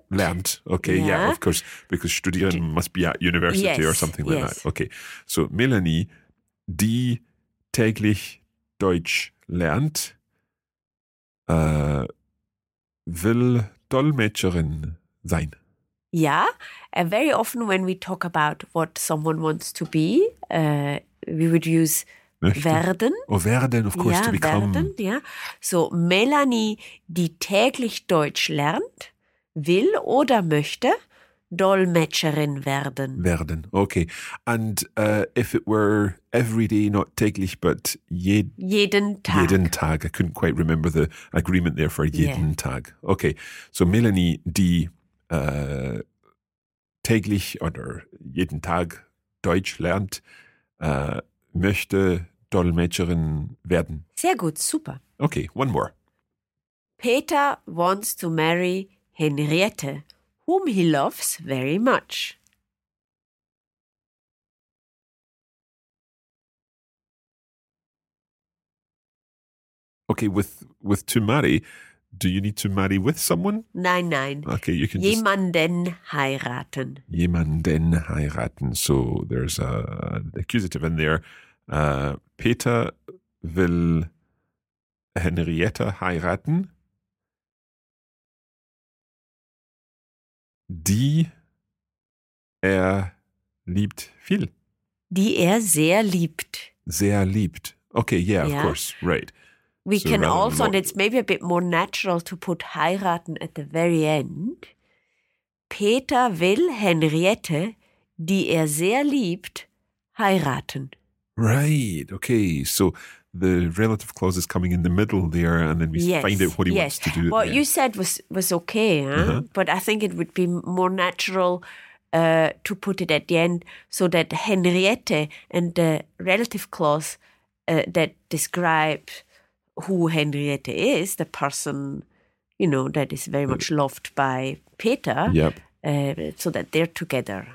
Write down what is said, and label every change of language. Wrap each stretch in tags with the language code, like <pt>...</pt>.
<en>Lernt, okay, yeah, of course, because studieren must be at university or something like that.</en> <de>Okay, so Melanie, die täglich Deutsch lernt, will Dolmetscherin sein.</de> <en>Yeah, very often when we talk about what someone wants to be, we would use möchte.</en> <de>Werden.</de> <en>Oh, werden, of course, to become.</en> <de>Werden, yeah. So Melanie, die täglich Deutsch lernt, will oder möchte Dolmetscherin werden. Werden, okay.</de> <en>And if it were every day, not täglich, but</en> <de>jeden Tag. Jeden Tag.</de> <en>I couldn't quite remember the agreement there for jeden Tag.</en> <de>Okay, so Melanie, die täglich oder jeden Tag Deutsch lernt, möchte Dolmetscherin werden. Sehr gut, super.</de> <en>Okay, one more. Peter wants to marry Henriette, whom he loves very much. Okay, with to marry, do you need to marry with someone?</en> <de>Nein, nein.</de> <en>Okay, you can</en> <de>jemanden heiraten. Jemanden heiraten.</de> <en>So there's a accusative in there.</en> <de>Peter will Henriette heiraten. Die er liebt viel. Die er sehr liebt. Sehr liebt.</de> <en>Okay, yeah, of course, right. We can also, and it's maybe a bit more natural to put heiraten at the very end.</en> <de>Peter will Henriette, die er sehr liebt, heiraten.</de> <en>Right, okay, so the relative clause is coming in the middle there, and then we find out what he wants to do. What you said was okay, huh? But I think it would be more natural to put it at the end so that Henriette and the relative clause that describe who Henriette is, the person, you know, that is very much loved by Peter, so that they're together.</en>